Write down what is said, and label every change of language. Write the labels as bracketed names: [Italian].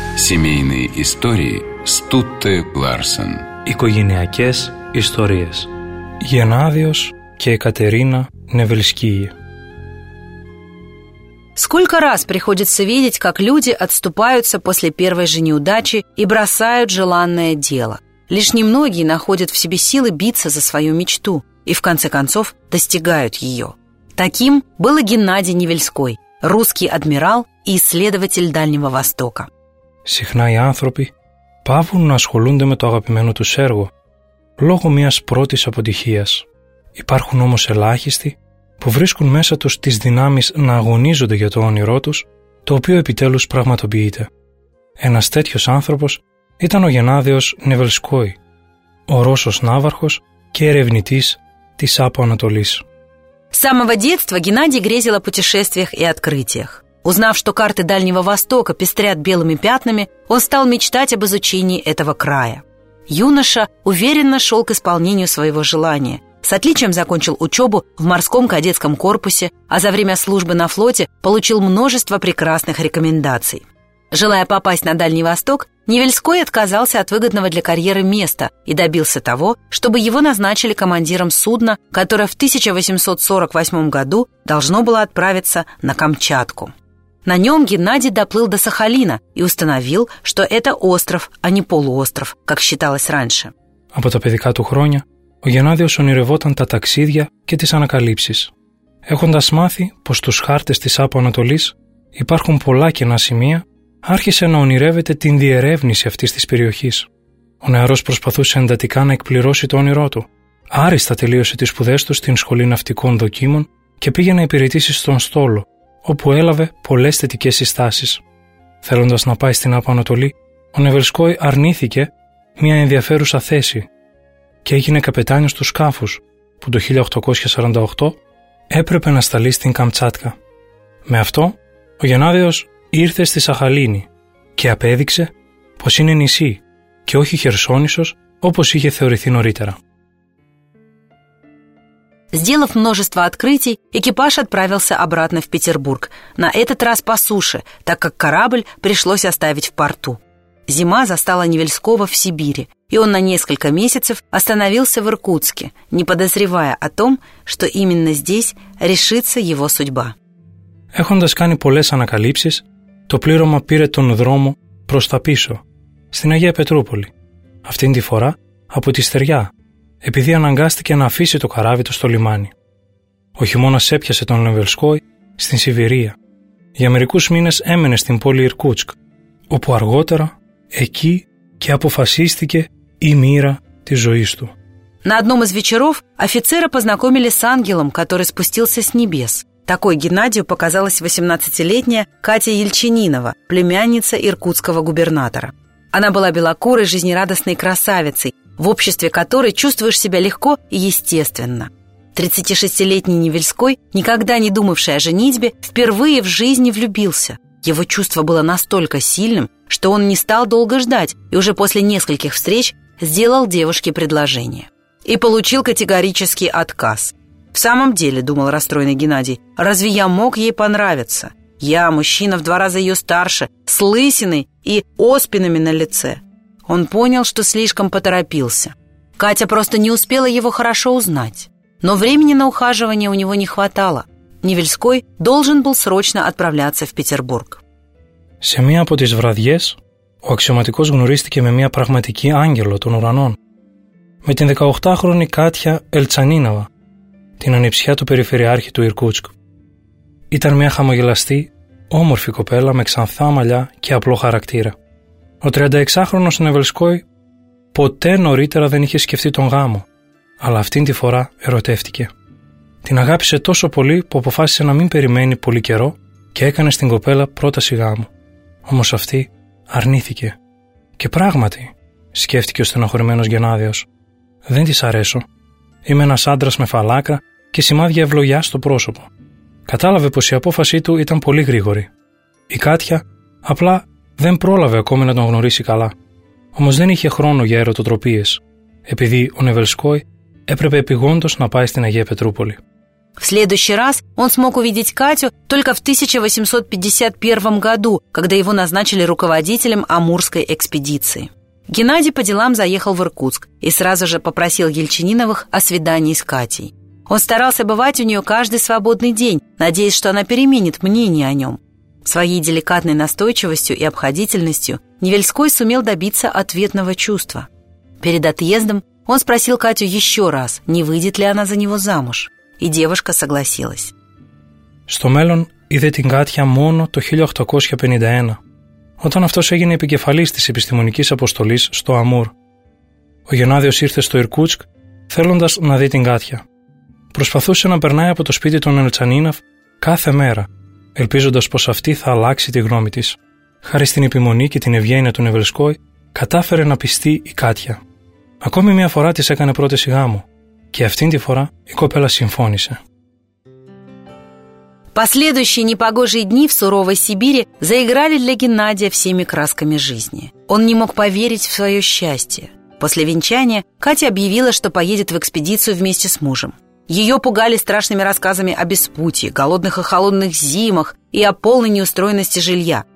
[Russian] Семейные истории Στούτε Λάρσεν. [Greek] Οικογενειακές ιστορίες. Γενάδιος και Κατερίνα Νεβελσκίη. [Russian] Сколько раз приходится видеть, как люди отступаются после первой же неудачи и бросают желанное дело. Лишь немногие находят в себе силы биться за свою мечту и, в конце концов, достигают ее. Таким был Геннадий Невельской, русский адмирал и исследователь Дальнего Востока. [Greek] Συχνά οι άνθρωποι πάβουν να ασχολούνται με το αγαπημένο τους έργο λόγω μιας πρώτης αποτυχίας. Υπάρχουν όμως ελάχιστοι που βρίσκουν μέσα τους τις δυνάμεις να αγωνίζονται για το όνειρό τους, το οποίο επιτέλους πραγματοποιείται. Ένας τέτοιος άνθρωπος ήταν ο Γενάδιος Νεβελσκόη, ο Ρώσος ναύαρχος και ερευνητής της Άπο Ανατολής. [Russian] С самого детства Геннадий грезил о путешествиях и открытиях. Узнав, что карты Дальнего Востока пестрят белыми пятнами, он стал мечтать об изучении этого края. Юноша уверенно шел к исполнению своего желания. С отличием закончил учебу в морском кадетском корпусе, а за время службы на флоте получил множество прекрасных рекомендаций. Желая попасть на Дальний Восток, Невельской отказался от выгодного для карьеры места и добился того, чтобы его назначили командиром судна, которое в 1848 году должно было отправиться на Камчатку. На нем Геннадий доплыл до Сахалина и установил, что это остров, а не полуостров, как считалось раньше. [Greek] Από τα παιδικά του χρόνια, ο Геннадιος ονειρευόταν τα ταξίδια και τις ανακαλύψεις. Έχοντας μάθει πως στους χάρτες της Άπο Ανατολής υπάρχουν πολλά κενά σημεία, άρχισε να ονειρεύεται την διερεύνηση αυτής της περιοχής. Ο νεαρός προσπαθούσε εντατικά να εκπληρώσει το όνειρό του. Άριστα τελείωσε τις σπουδές του στην Σχολή Ναυτικών Δοκίμων και πήγε να υπηρετήσει στον Στόλο, όπου έλαβε πολλές θετικές συστάσεις. Θέλοντας να πάει στην Άπο Ανατολή, ο Νεβελσκόη αρνήθηκε μια ενδιαφέρουσα θέση και έγινε καπετάνιος του σκάφους, που το 1848 έπρεπε να σταλεί στην Καμτσάτκα. Με αυτό, ο Γενάδιος ήρθε στη Σαχαλίνη και απέδειξε πως είναι νησί και όχι Χερσόνησος όπως είχε θεωρηθεί νωρίτερα. [Russian] Сделав множество открытий, экипаж отправился обратно в Петербург, на этот раз по суше, так как корабль пришлось оставить в порту. Зима застала Невельского в Сибири, и он на несколько месяцев остановился в Иркутске, не подозревая о том, что именно здесь решится его судьба. [Greek] Έχοντας κάνει πολλές ανακαλύψεις, το πλήρωμα πήρε τον δρόμο προς τα πίσω, στην Αγία Πετρούπολη. Αυτήν τη φορά από τη στεριά, επειδή αναγκάστηκε να αφήσει το καράβι του στο λιμάνι. Ο χειμώνας έπιασε τον Νεβελσκόη στην Σιβηρία. Για μερικούς μήνες έμενε στην πόλη Ιρκούτσκ, όπου αργότερα εκεί και αποφασίστηκε η μοίρα της ζωής του. [Russian] На одном из вечеров офицера познакомили с ангелом, который спустился с небес. Такой Геннадию показалась 18-летняя Катя Ельчининова, племянница иркутского губернатора. Она была белокурой, жизнерадостной красавицей, в обществе которой чувствуешь себя легко и естественно. 36-летний Невельской, никогда не думавший о женитьбе, впервые в жизни влюбился. Его чувство было настолько сильным, что он не стал долго ждать и уже после нескольких встреч сделал девушке предложение. И получил категорический отказ. «В самом деле, — думал расстроенный Геннадий, — разве я мог ей понравиться? Я, мужчина, в два раза ее старше, с лысиной и оспинами на лице». Он понял, что слишком поторопился. Катя просто не успела его хорошо узнать. Но времени на ухаживание у него не хватало. Невельской должен был срочно отправляться в Петербург. [Greek] Σε μία από τις βραδιές, ο αξιωματικός γνωρίστηκε με μία πραγματική άγγελο των ουρανών. Με την 18χρονη Κάτια Ελτσανίναβα, την ανιψιά του περιφερειάρχη του Ιρκούτσκ. Ήταν μία χαμογελαστή, όμορφη κοπέλα με ξανθά μαλλιά και απλό χαρακτήρα. Ο 36χρονος Νεβελσκόη ποτέ νωρίτερα δεν είχε σκεφτεί τον γάμο, αλλά αυτήν τη φορά ερωτεύτηκε. Την αγάπησε τόσο πολύ που αποφάσισε να μην περιμένει πολύ καιρό και έκανε στην κοπέλα πρόταση γάμου. Όμως αυτή αρνήθηκε. «Και πράγματι», σκέφτηκε ο στενοχωρημένος Γεννάδιος, «δεν της αρέσω. Είμαι ένας άντρας με φαλάκρα και σημάδια ευλογιά στο πρόσωπο». Κατάλαβε πως η απόφασή του ήταν πολύ γρήγορη. Η Κάτια απλά δεν πρόλαβε ακόμη να τον γνωρίσει καλά. Όμως δεν είχε χρόνο για ερωτοτροπίες, επειδή ο Νεβελσκόη έπρεπε επειγόντως να πάει στην Αγία Πετρούπολη. [Russian] В следующий раз он смог увидеть Катю только в 1851 году, когда его назначили руководителем Амурской экспедиции. Геннадий по делам заехал в Иркутск и сразу же попросил Ельчининовых о свидании с Катей. Он старался бывать у нее каждый свободный день, надеясь, что она переменит мнение о нем. Своей деликатной настойчивостью и обходительностью Невельской сумел добиться ответного чувства. Перед отъездом он спросил Катю еще раз, не выйдет ли она за него замуж. И девушка согласилась. [Greek] Στο μέλλον είδε την Κάτια μόνο το 1851, όταν αυτός έγινε επικεφαλής της επιστημονικής αποστολής στο Αμούρ. Ο Γεννάδιος ήρθε στο Ιρκούτσκ θέλοντας να δει την Κάτια. Προσπαθούσε να περνάει από το σπίτι των Ελτσανίναφ κάθε μέρα, ελπίζοντας πως αυτή θα αλλάξει τη γνώμη της. Χάρη στην επιμονή και την ευγένεια του Νεβελσκόη, κατάφερε να πιστεί η Κάτια. Ακόμη μια φορά της έκανε πρόταση γάμου, και αυτήν τη φορά η κοπέλα συμφώνησε. [Russian] Последующие непогожие дни в суровой Сибири заиграли для Геннадия всеми красками жизни. Он не мог поверить в свое счастье. После венчания Катя объявила, что поедет в экспедицию вместе с мужем. Ее пугали страшными рассказами о беспутье, голодных и холодных зимах и о полной неустроенности жилья.